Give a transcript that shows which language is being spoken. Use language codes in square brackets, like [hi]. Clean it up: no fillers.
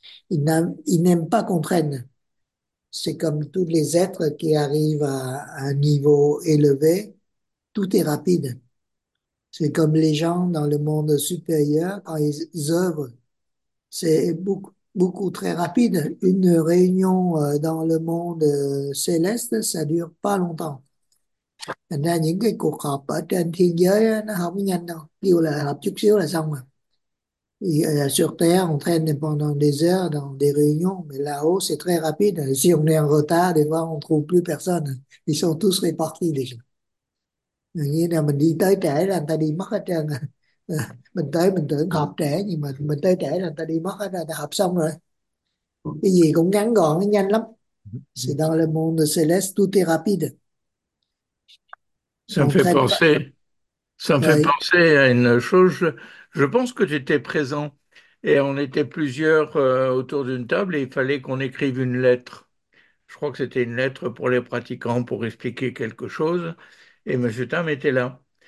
[fr] Il n'aime pas qu'on traîne. C'est comme tous les êtres qui arrivent à un niveau élevé, tout est rapide. C'est comme les gens dans le monde supérieur, quand ils œuvrent, c'est beaucoup, beaucoup très rapide. Une réunion dans le monde céleste, ça dure pas longtemps. [vi] Thành ra những cái cuộc họp ở trên thiên giới nó không có nhanh đâu, kêu là họp chút xíu là xong rồi. [fr] Sur Terre, on traîne pendant des heures dans des réunions, mais là-haut, c'est très rapide. Si on est en retard, des fois, on trouve plus personne. Ils sont tous répartis déjà. [vi] Nghĩa là mình đi tới trễ là người ta đi mất hết trơn. Mình tới mình tưởng họp trễ, nhưng mà mình tới trễ là người ta đi mất hết rồi, họp xong rồi. Cái gì cũng ngắn gọn, nhanh lắm. [fr] C'est dans le monde céleste, tout est rapide. Ça me On fait traîne pas. penser, ça me fait Oui. penser à une chose. Je pense que tu étais présent et on était plusieurs autour d'une table et il fallait qu'on écrive une lettre. Je crois que c'était une lettre pour les pratiquants pour expliquer quelque chose. Et M. Tam était là.